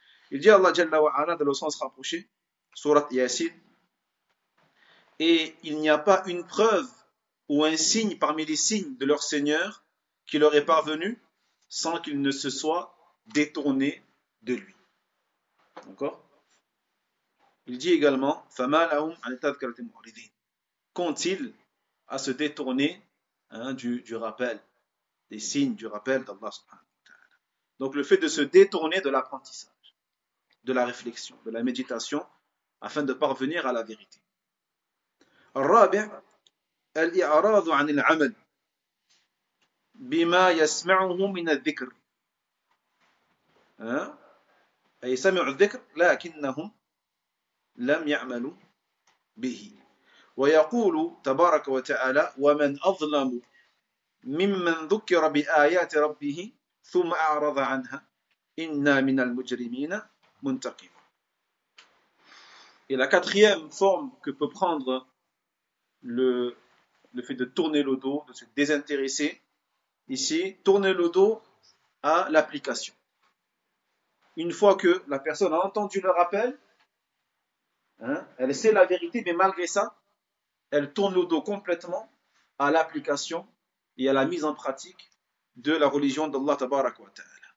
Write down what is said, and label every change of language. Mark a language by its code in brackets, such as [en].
[fr] Il dit Allah jalla wa ala dans le sens rapproché, surat Yasin, et il n'y a pas une preuve ou un signe parmi les signes de leur Seigneur qui leur est parvenu sans qu'ils ne se soient détournés de lui. D'accord? Il dit également, [ar] فَمَا لَهُمْ عَنِ التَّذْكِرَةِ مُعْرِضِينَ. [fr] Qu'ont-ils à se détourner, hein, du rappel, des signes du rappel d'Allah subhanahu. Donc le fait de se détourner de l'apprentissage, de la réflexion, de la méditation, afin de parvenir à la vérité. [ar] الرابع الإعراض عن العمل بما يسمعه من الذكر. أي سمعوا الذكر لكنهم لم يعملوا به. ويقول تبارك وتعالى ومن أظلم ممن ذكر بآيات ربه ثم أعرض عنها إنا من المجرمين منتقم. [fr] Et la quatrième forme que peut prendre le fait de tourner le dos, de se désintéresser, ici, tourner le dos à l'application. Une fois que la personne a entendu le rappel, hein, elle sait la vérité, mais malgré ça, elle tourne le dos complètement à l'application et à la mise en pratique de la religion d'Allah tabarak wa ta'ala.